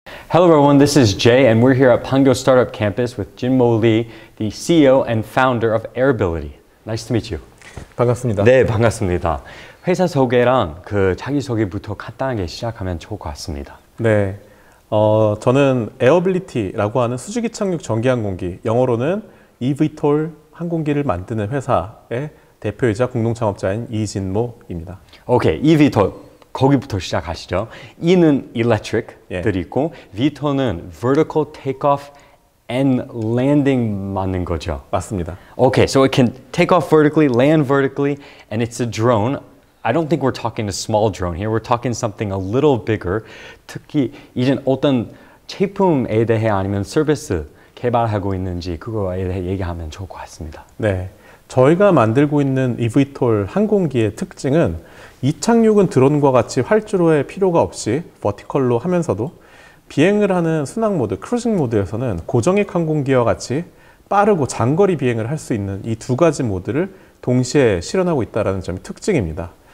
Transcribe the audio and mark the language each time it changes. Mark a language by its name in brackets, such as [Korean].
[English] Hello everyone, this is Jay and we're here at Pango Startup Campus with Jinmo Lee, the CEO and founder of Airbility. Nice to meet you. [Korean] 반갑습니다. 네, 반갑습니다. 회사 소개랑 그 자기소개부터 간단하게 시작하면 좋을 것 같습니다. 네, 저는 Airbility라고 하는 수직이 착륙 전기항공기, 영어로는 eVTOL 항공기를 만드는 회사의 대표이자 공동창업자인 이진모입니다. 오케이, eVTOL. 거기부터 시작하시죠. E는 electric들이 예. 있고 VTOL는 [English] vertical takeoff and landing [Korean] 맞는 거죠? 맞습니다. [English] Okay, so it can take off vertically, land vertically, and it's a drone. I don't think we're talking a small drone here. We're talking something a little bigger. [Korean] 특히 이젠 어떤 제품에 대해 아니면 서비스 개발하고 있는지 그거에 대해 얘기하면 좋을 것 같습니다. 네. 저희가 만들고 있는 eVTOL 항공기의 특징은 이착륙은 드론과 같이 활주로에 필요가 없이 버티컬로 하면서도 비행을 하는 순항 모드, 크루징 모드에서는 고정익 항공기와 같이 빠르고 장거리 비행을 할 수 있는 이 두 가지 모드를 동시에 실현하고 있다는 점이 특징입니다.